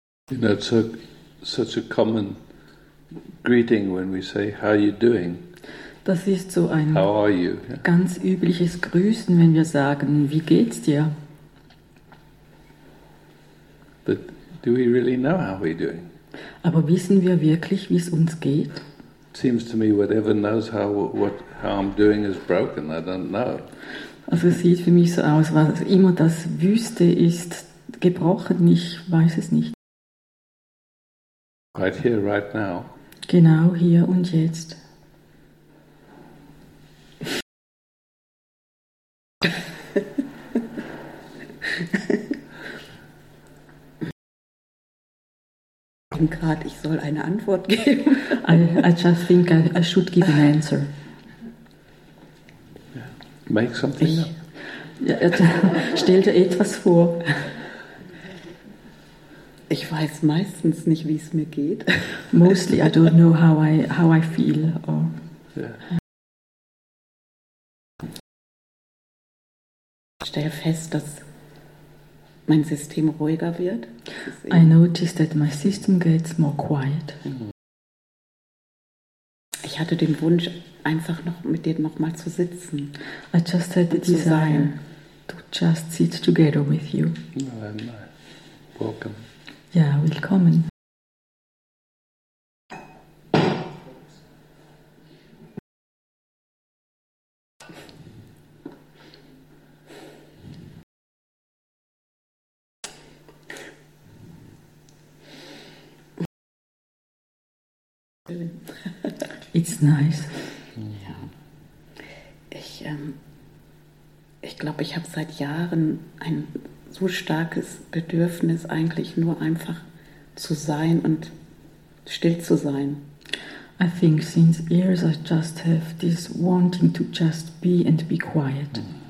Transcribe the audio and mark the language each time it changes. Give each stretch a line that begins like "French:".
English: You know, it's such a common greeting when we say, how are you doing?
German: Das ist so ein ganz übliches Grüßen, wenn wir sagen, wie geht's dir?
English: But do we really know how we're doing?
German: Aber wissen wir wirklich, wie es uns geht?
English: It seems to me, whatever knows how I'm doing is broken, I don't know.
German: Also es sieht für mich so aus, was immer das Wüste ist, gebrochen, ich weiß es nicht.
English: Right here, right now.
German: Genau hier und jetzt. Ich soll eine Antwort geben.
English: I just think I should give an answer. Make something up.
German: Stell dir etwas vor. Ich weiß meistens nicht, wie es mir geht.
English: Mostly I don't know how I feel.
German: Or... Yeah. Ich stelle fest, dass mein System ruhiger wird.
English: I notice that my system gets more quiet.
German: Ich hatte den Wunsch, einfach noch mit dir nochmal zu sitzen.
English: I just had the desire to just sit together with you. Welcome.
German: Ja, willkommen.
English: It's nice.
German: Ja. Ich glaube, ich habe seit Jahren ein so starkes Bedürfnis, eigentlich nur einfach zu sein und still zu sein.
English: I think since years I just have this wanting to just be and be quiet.